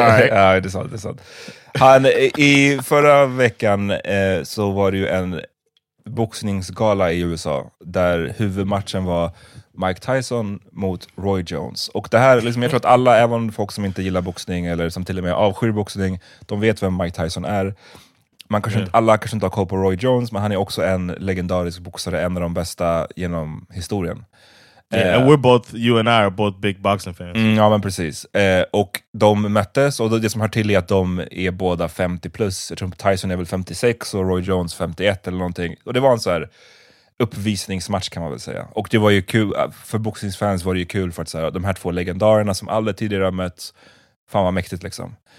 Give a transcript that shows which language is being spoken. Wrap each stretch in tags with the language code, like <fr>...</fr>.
<sv>Ja, det är sant, det är sant. Han, i förra veckan så var det ju en boxningsgala i USA där huvudmatchen var Mike Tyson mot Roy Jones. Och det här, liksom, jag tror att alla, även folk som inte gillar boxning eller som till och med avskyr boxning, de vet vem Mike Tyson är. Man kanske inte, alla kanske inte har koll på Roy Jones, men han är också en legendarisk boxare, en av de bästa genom historien.</sv> <en>Yeah, and we're both, you and I are both big boxing fans.</en> <sv>Ja, men precis. Och de möttes, och det som hör till är att de är båda 50 plus. Jag tror Tyson är väl 56 och Roy Jones 51 eller någonting. Och det var en så här uppvisningsmatch kan man väl säga. Och det var ju kul, för boxningsfans var det ju kul för att så här, de här två legendarerna som aldrig tidigare har mötts, fan vad mäktigt liksom.</sv>